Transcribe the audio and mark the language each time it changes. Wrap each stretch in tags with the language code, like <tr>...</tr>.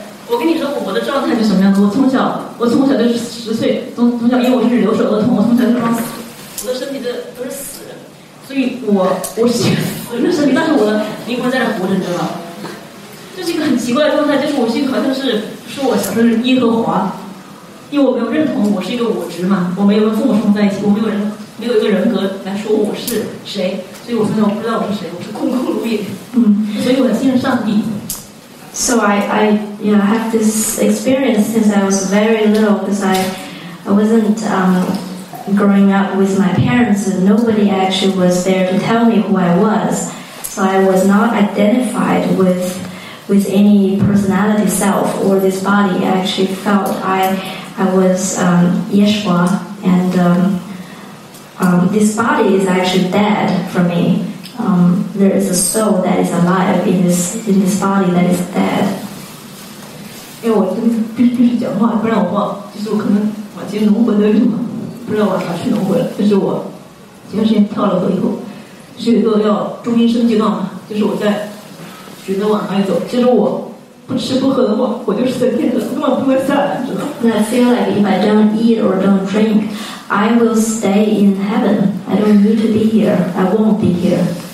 <zh>我跟你说我的状态是什么样子，我从小就是10岁，从小因为我是留守儿童，我从小就装死，我的身体都是死人，所以我是一个死人的身体，但是我的灵魂在那活着，你知道吗？这是一个很奇怪的状态，就是我心好像是说我想的是耶和华，因为我没有认同我是一个我执嘛，我没有跟父母生在一起，我没有人，没有一个人格来说我是谁，所以我从小我不知道我是谁，我是空空如也。所以我很信任上帝。</zh> <en>So I have this experience since I was very little, because I wasn't growing up with my parents, and nobody actually was there to tell me who I was. So I was not identified with any personality self or this body. I actually felt I was Yeshua, and this body is actually dead for me. There is a soul that is alive in this body that is dead.</en> <zh>因为我真的必须讲话，不然我忘，就是我可能我进轮回了什么，不知道我咋去轮回了。就是我前段时间跳了河以后，就是一个要中阴身阶段嘛，就是我在循着往外走。其实我不吃不喝的话，我就是在天上，根本不会下来，知道吗？</zh> <en>I feel like if I don't eat or don't drink, I will stay in heaven. I don't need to be here. I won't be here.</en>